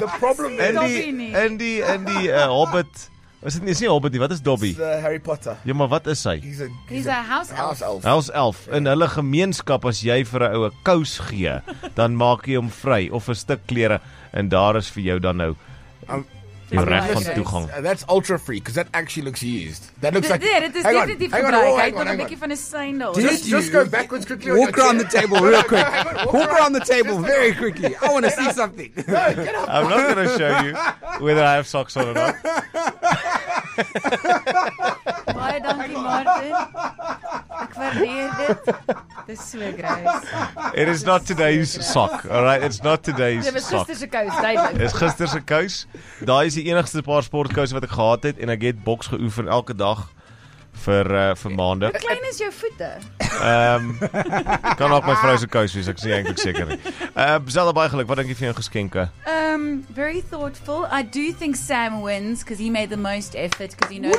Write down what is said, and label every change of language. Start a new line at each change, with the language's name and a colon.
English: The problem is
Afrikaans: Andy, Hobbit.
English: Is it,
Afrikaans: is nie Hobbit nie, wat is Dobby?
English: It's Harry Potter.
Afrikaans: Ja, maar wat is hy?
English: He's a house elf. House elf. Yeah.
Afrikaans: In hulle gemeenskap, as jy vir 'n ou 'n kous gee, dan maak jy hom vry, of 'n stuk klere, en daar is vir jou dan nou...
English: That's ultra free because that actually looks used. That looks Just go backwards quickly. Walk around the table real quick. Walk around the table very quickly. I want to see something. No, I'm not going to show you whether I have socks on or not.
Afrikaans: Baie dankie Martin. Ek waardeer dit. Dit is so grys.
English: It is not today's sock. All right, it's not today's sock.
Afrikaans: Dit is gister se kous, duidelik. Is gister se kous. Daai is die enigste paar sportkouse wat ek gehad het en ek het boks geoefen elke dag vir maande. Hoe klein is jou voete? Kan ook my vrou se kous wees, ek is nie eintlik seker nie. Zelda, baie geluk. Wat dink jy vir jou geskenke?
English: Very thoughtful. I do think Sam wins because he made the most effort because he knows